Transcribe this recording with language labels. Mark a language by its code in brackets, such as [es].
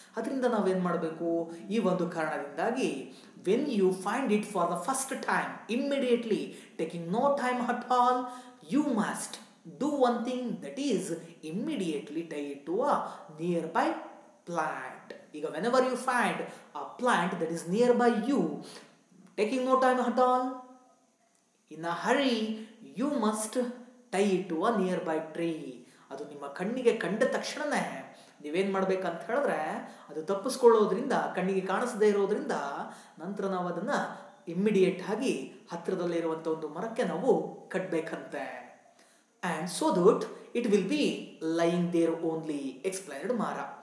[kn] ಅದರಿಂದ ನಾವೇನು ಮಾಡಬೇಕು, ಈ ಒಂದು ಕಾರಣದಿಂದಾಗಿ [en] When you find it for the first time immediately, taking no time at all, you must do one thing, that is immediately tie it to a nearby plant. ಈಗ whenever you find a plant that is nearby you, taking no time at all, in a hurry you must tie it to a nearby tree. [kn] ಅದು ನಿಮ್ಮ ಕಣ್ಣಿಗೆ ಕಂಡ ತಕ್ಷಣನೇ ನೀವೇನು ಮಾಡಬೇಕಂತ ಹೇಳಿದ್ರೆ, ಅದು ತಪ್ಪಿಸ್ಕೊಳ್ಳೋದ್ರಿಂದ, ಕಣ್ಣಿಗೆ ಕಾಣಿಸದೇ ಇರೋದ್ರಿಂದ ನಂತರ ನಾವು ಅದನ್ನು ಇಮ್ಮಿಡಿಯೇಟ್ ಆಗಿ ಹತ್ತಿರದಲ್ಲಿರುವಂಥ ಒಂದು ಮರಕ್ಕೆ ನಾವು ಕಟ್ಟಬೇಕಂತೆ. [en] And so that it will be lying there only, explained ಮಾರ.